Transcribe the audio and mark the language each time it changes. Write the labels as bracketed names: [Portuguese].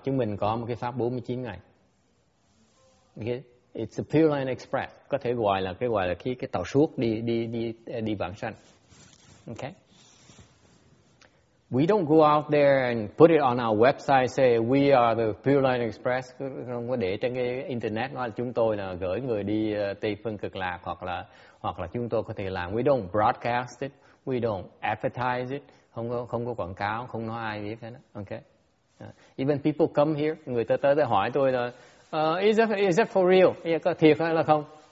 [Vietnamese] Chúng mình có một cái pháp 49 ngày. Okay? [English] It's a Pure Land Express. [Vietnamese] Có thể gọi là cái tàu suốt đi vãng sanh. [English] Okay? We don't go out there and put it on our website, say we are the Pure Land Express. [Vietnamese] Không có để trên cái internet nói là chúng tôi là gửi người đi Tây Phương Cực Lạc hoặc là chúng tôi có thể làm. [English] We don't broadcast it, we don't advertise it. [Vietnamese] Không có quảng cáo, không nói ai biết hết. Okay. [English] Even people come here, [Vietnamese] người ta tới để hỏi tôi là [English] is that for real? [Vietnamese] Yeah, có thiệt hay là không?